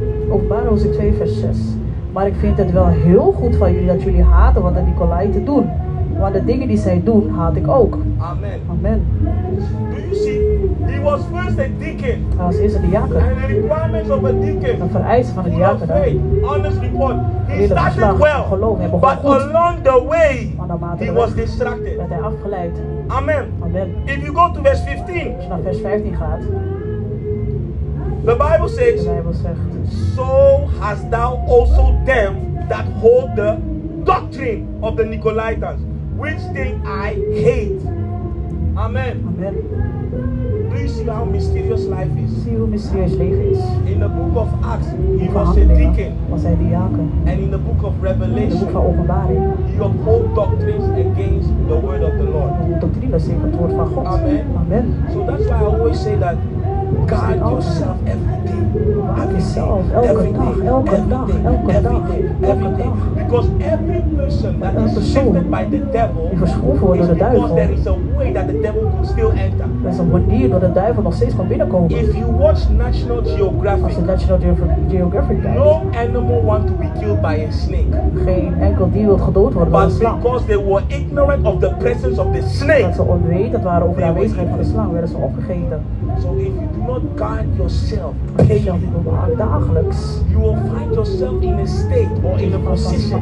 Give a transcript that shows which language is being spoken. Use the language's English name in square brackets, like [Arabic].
[Dutch] Openbaring hoofdstuk 2, vers 6. Maar ik vind het wel heel goed van jullie dat jullie haten wat de Nicolaiten doen. Want de dingen die zij doen, haat ik ook. Amen. Amen. [English] Do you see? He was first a deacon. [Dutch] Hij was eerst een diaken. [English] And the requirements of a deacon. [Dutch] Een vereiste van een diaken. [English] Honest report. He started well. [Dutch] Geloof, [English] but [Dutch] goed. [English] Along the way, he was distracted. [Dutch] Werd hij afgeleid. [English] Amen. [Dutch] Amen. [English] If you go to verse 15. [Dutch] Als je naar vers 15 gaat. [English] The Bible says. [Dutch] De Bijbel zegt. [English] So hast thou also them that hold the doctrine of the Nicolaitans, which thing I hate. Amen. [Dutch] Amen. [English] Do you see how mysterious life is? [Dutch] See hoe mysterieus leven is. [English] In the book of Acts, he was a deacon. [Dutch] Was hij diaken. [English] And in the book of Revelation, [Dutch] in de boek van Openbaring, [English] he uphold doctrines against the word of the Lord. [Dutch] De doctrine is tegen het woord van God. [English] Amen. [Dutch] Amen. [English] So that's why I always say that. Guard yourself every day. Because every person that is shifted by the devil is because there is a way that the devil can still enter. [Dutch] Er is een manier door de duivel nog steeds kan binnenkomen. [English] If you watch National Geographic, [Dutch] als je National Geographic kijkt, [English] no animal want to be killed by a snake. [Dutch] Geen enkel dier wil gedood worden door een slang. [English] But because they were ignorant of the presence of the snake, [Dutch] dat ze onwetend waren over de aanwezigheid van de slang, werden ze opgegeten. [English] So if you do not guard yourself, [Dutch] dagelijks, [English] you will find yourself in a state or in a position,